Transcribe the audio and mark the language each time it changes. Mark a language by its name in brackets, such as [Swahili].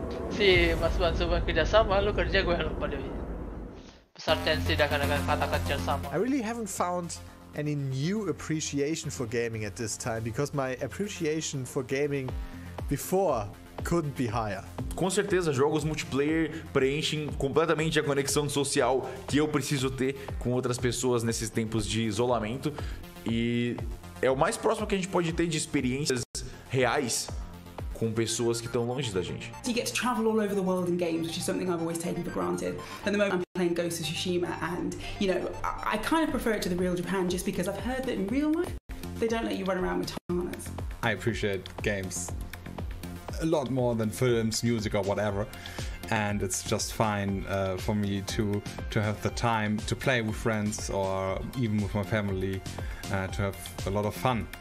[English] Si Mas Ban semua kerja sama, lu kerja gue lupa deh. Besar tensi dah kadang-kadang kata kerja sama. I really haven't found any new appreciation for gaming at this time because my appreciation for gaming before. Couldn't be higher. [Portuguese] Com certeza, jogos multiplayer preenchem completamente a conexão social que eu preciso ter com outras pessoas nesses tempos de isolamento. E é o mais próximo que a gente pode ter de experiências reais com pessoas que estão longe da gente. [English] You get to travel all over the world in games, which is something I've always taken for granted. At the moment, I'm playing Ghost of Tsushima, and you know, I kind of prefer it to the real Japan just because I've heard that in real life they don't let you run around with katanas. I appreciate games a lot more than films, music or whatever, and it's just fine for me to have the time to play with friends or even with my family, to have a lot of fun.